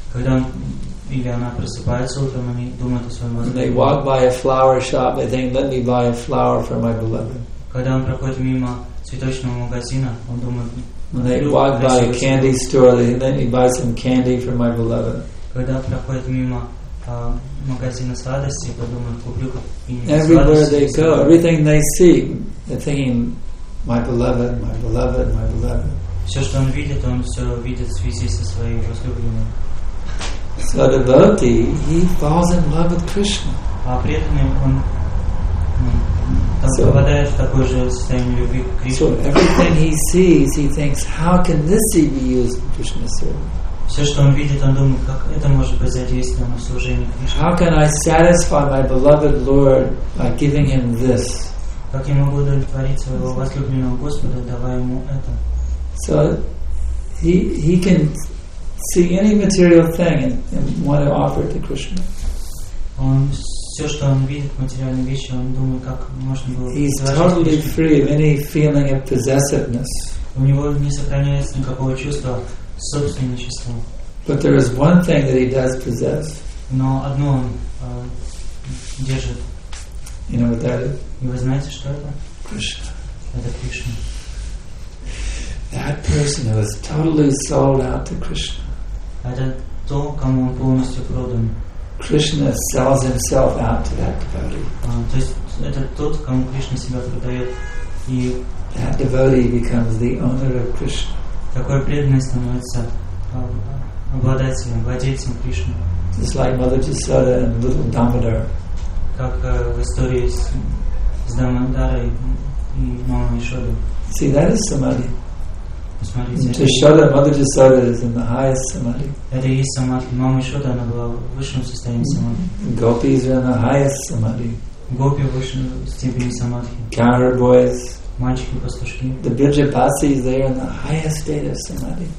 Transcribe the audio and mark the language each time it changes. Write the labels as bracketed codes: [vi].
[ru] Когда или она просыпается утром, они думают о своем возлюбленном. [en] When they walk by a flower shop, they think, "Let me buy a flower for my beloved." [ru] Когда он проходит мимо цветочного магазина, он думает. [en] When they walk by a candy store, they think, "Let me buy some candy for my beloved." [ru] Когда проходит мимо магазина сладости, подумал, куплю какие-нибудь. [en] Everywhere they go, everything they see, they're thinking, my beloved, my beloved, my beloved. [ru] Все, что он видит, он все видит в связи со своей возлюбленной. [en] So the devotee, he falls in love with Krishna. [ru] А преданный он попадает в такое же состояние любви к Кришне. [en] So everything he sees, he thinks, how can this be used in Krishna's service? [ru] Все, что он видит, он думает, как это может быть задействовано в служении Кришне. [en] How can I satisfy my beloved Lord by giving him this? [ru] Как я могу удовлетворить своего возлюбленного Господа, давая ему это? [en] So he can see any material thing and want to offer it to Krishna. [ru] Он все, что он видит, материальные вещи, он думает, как можно было. [en] He's totally free of any feeling of possessiveness. [ru] У него не сохраняется никакого чувства. Собственничество. [en] But there is one thing that he does possess. [ru] Но одно он держит. [en] You know what that is? [ru] И вы знаете, что это? [en] Krishna. [ru] Это Кришна. [en] That person who is totally sold out to Krishna. [ru] Это то, кому он полностью продан. [en] Krishna sells himself out to that devotee. [ru] То есть это тот, кому Кришна себя продает. И [en] that devotee becomes the owner of Krishna. [ru] Такой преданный становится обладателем, владельцем Кришны. [en] Just like Mother Jasoda and little Damodar. [ru] Как в истории с Дамодарой и мамой Ишоды. [en] See, that is samadhi. [ru] Посмотрите. [en] Jasoda, Mother Jasoda is in the highest samadhi. [ru] Это и есть самадхи. Мама Ишода, она была в высшем состоянии самадхи. [en] Gopis are in the highest samadhi. [ru] Gopi выше степени самадхи. [en] Kara boys. [ru] Мальчики пастушки. [en] The Vrijabasi is there in the highest state of samadhi.